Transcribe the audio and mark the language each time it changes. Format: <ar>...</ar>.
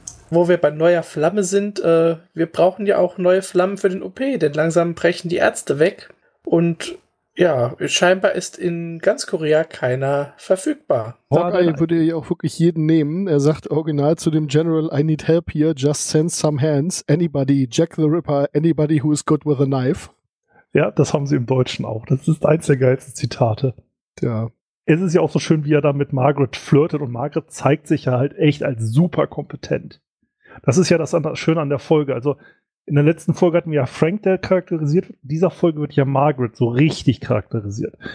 <de>Wo wir bei neuer Flamme sind, wir brauchen ja auch neue Flammen für den OP, denn langsam brechen die Ärzte weg. Und ja, scheinbar ist in ganz Korea keiner verfügbar. Hawkeye würde ja auch wirklich jeden nehmen. Er sagt original zu dem General,</de> <en>I need help here, just send some hands. Anybody, Jack the Ripper, anybody who is good with a knife.</en> <de>Ja, das haben sie im Deutschen auch. Das ist eins der geilsten Zitate. Ja. Es ist ja auch so schön, wie er da mit Margaret flirtet. Und Margaret zeigt sich ja halt echt als super kompetent. Das ist ja das Schöne an der Folge. Also in der letzten Folge hatten wir ja Frank, der charakterisiert wird. In dieser Folge wird ja Margaret so richtig charakterisiert.</de>